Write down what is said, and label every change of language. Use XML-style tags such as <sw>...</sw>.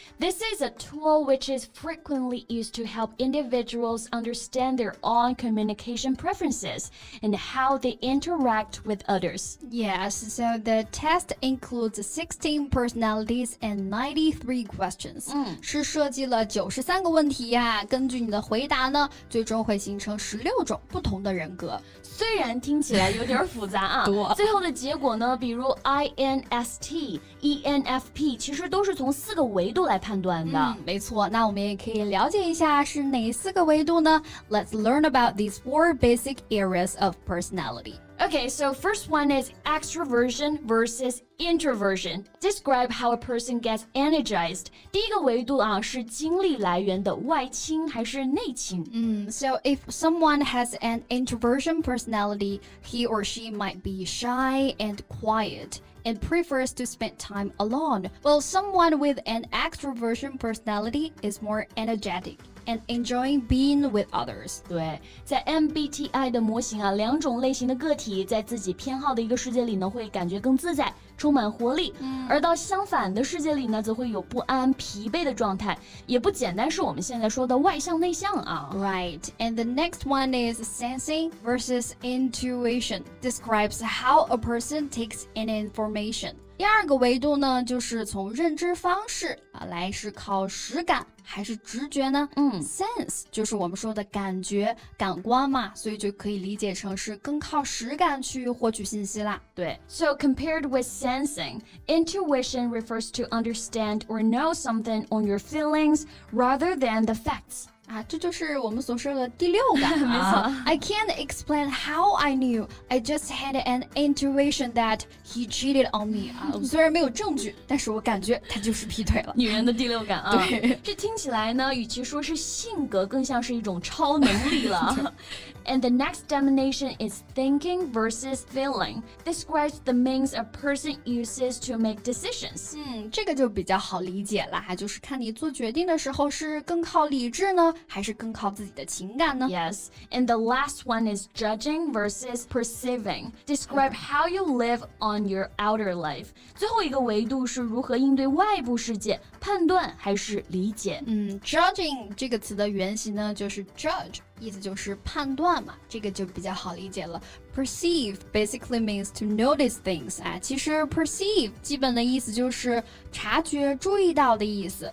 <en>This is a tool which is frequently used to help individuals understand their own communication preferences and how they interact with others. Yes, so the test includes 16 personalities and 93 questions. 嗯，</en> <zh>是设计了93个问题啊，根据你的回答呢，最终会形成16种不同的人格。虽然听起来有点复杂啊，多。最后的结果呢，比如 INST, ENFP 其实都是从四个维度来判断的、嗯、没错，那我们也可以了解一下是哪四个维度呢？</zh> <en>Let's learn about these four basic areas of personality. Okay, so first one is extroversion versus introversion. Describe how a person gets energized.</en> <zh>第一个维度啊，是精力来源的外倾还是内倾、</zh> <en>嗯、So if someone has an introversion personality, he or she might be shy and quietand prefers to spend time alone, while someone with an extroversion personality is more energetic and enjoying being with others.</en> <zh>对，在 MBTI 的模型啊，两种类型的个体在自己偏好的一个世界里呢，会感觉更自在，充满活力、嗯、而到相反的世界里呢，则会有不安、疲惫的状态，也不简单是我们现在说的外向内向啊。</zh> <en>Right, and the next one is sensing versus intuition. Describes how a person takes in information.</en> <zh>第二个维度呢，就是从认知方式来是靠实感还是直觉呢？嗯，sense 就是我们说的感觉、感官嘛，所以就可以理解成是更靠实感去获取信息啦。</zh> <en>对 ，So compared with sensing, intuition refers to understand or know something on your feelings rather than the facts.</en> <zh>啊，这就是我们所说的第六感、啊、没错</zh> <en>I can't explain how I knew. I just had an intuition that he cheated on me.</en> <zh>啊，虽然没有证据，但是我感觉他就是劈腿了。女人的第六感啊，对，这听起来呢，与其说是性格，更像是一种超能力了。</zh> <en>And the next domination is thinking versus feeling. Describes the means a person uses to make decisions.</en> <zh>嗯，这个就比较好理解了，就是看你做决定的时候是更靠理智呢，还是更靠自己的情感呢？</zh> <en>Yes. And the last one is judging versus perceiving. Describe how you live on your outer life.</en> <zh>最后一个维度是如何应对外部世界，判断还是理解？嗯 ，judging 这个词的原型呢，就是 judge。意思就是判断嘛，这个就比较好理解了。</zh> <en>Perceive basically means to notice things.</en> <zh>啊，其实 perceive 基本的意思就是察觉、注意到的意思。</zh>